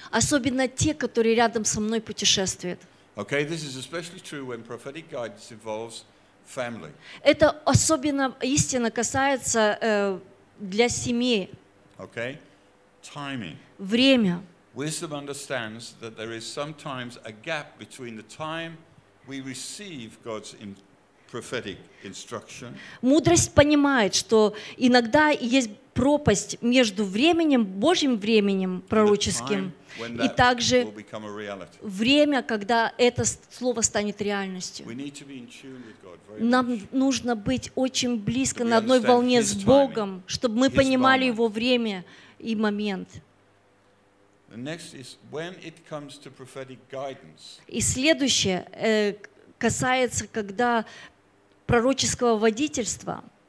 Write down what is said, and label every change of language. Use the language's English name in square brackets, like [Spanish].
[Russian] Особенно те, которые рядом со мной путешествуют. [English] Okay, this is especially true when prophetic guidance involves family. [Russian] Это особенно истинно касается для семьи. [English] Okay, timing. [Russian] Время. [English] Wisdom understands that there is sometimes a gap between the time we receive God's prophetic instruction. [Russian] Мудрость понимает, что иногда есть пропасть между временем, Божьим временем пророческим, и также время, когда это слово станет реальностью. [English] We need to be in tune with God very much. [Russian] Нам нужно быть очень близко, на одной волне с Богом, чтобы мы понимали Его время и момент. [English] The next is when it comes to prophetic guidance. [Russian] И следующее касается когда пророческого водительства.